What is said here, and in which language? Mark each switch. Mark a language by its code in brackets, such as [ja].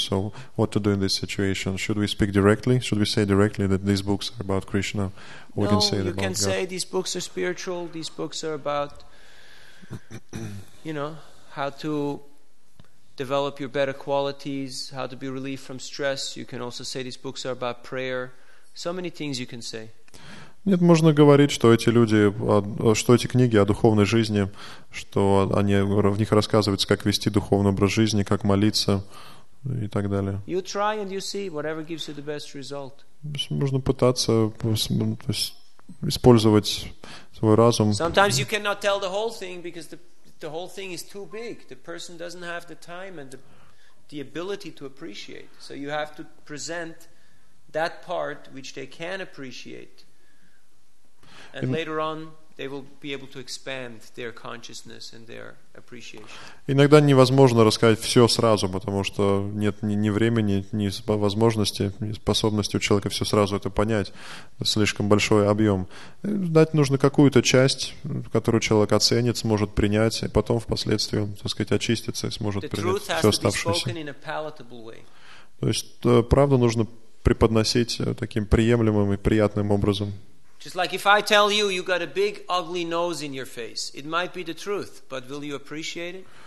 [en] So what to do in this situation? Should we speak directly? Should we say directly that these books are about Krishna? Or no, we can say you can say God? These books are spiritual, these books are about, you know, how to develop your better qualities, how to be relieved from stress. You can also say these books are about prayer. So many things you can say. [ru] Нет, можно говорить, что эти люди, что эти книги о духовной жизни, что они, в них рассказывается, как вести духовный образ жизни, как молиться и так далее. [en] You try and you see whatever gives you the best result. [ru] Можно пытаться, то есть, использовать свой разум. [en] Sometimes you cannot tell the whole thing because the whole thing is too big. The person doesn't have the time and the ability to appreciate. So you have to present that part which they can appreciate. And later on, they will be able to expand their consciousness and their appreciation. [ru] Иногда невозможно рассказать все сразу, потому что нет ни времени, ни возможности, ни способности у человека все сразу это понять. Слишком большой объем. Дать нужно какую-то часть, которую человек оценит, сможет принять, и потом впоследствии, так сказать, очистится и сможет принять все оставшееся. То есть правду нужно преподносить таким приемлемым и приятным образом. [en] Just like if I tell you you got a big ugly nose in your face, it might be the truth, but will you appreciate it?